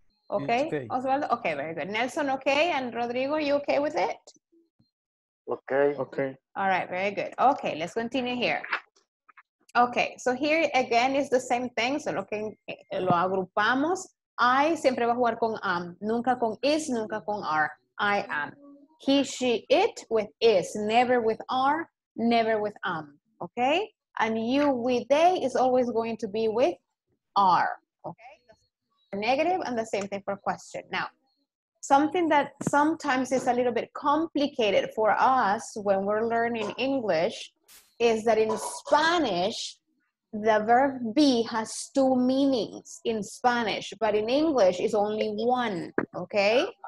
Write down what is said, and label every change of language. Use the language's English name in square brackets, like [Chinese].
[English] Okay, Osvaldo. Okay, very good. Nelson, okay? And Rodrigo, you okay with it? Okay. All right, very good. Okay, let's continue here. Okay, so here again is the same thing. [Spanish] So lo agrupamos. I siempre va a jugar con am, nunca con is, nunca con are. [English] I am. He, she, it with is, never with are, never with am. Okay? And you with they is always going to be with are. Okay? Negative and the same thing for question. Now, something that sometimes is a little bit complicated for us when we're learning English is that in Spanish, the verb be has two meanings in Spanish, but in English it's only one, okay?